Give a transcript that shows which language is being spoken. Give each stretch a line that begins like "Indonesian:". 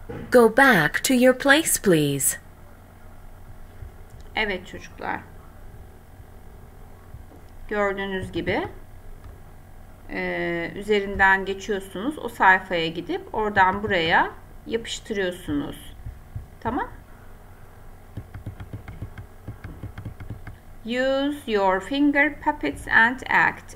English: Go back to your place, please.
Turkish: Evet çocuklar. Gördüğünüz gibi üzerinden geçiyorsunuz. O sayfaya gidip oradan buraya yapıştırıyorsunuz. Tamam?
English: Use your finger puppets and act.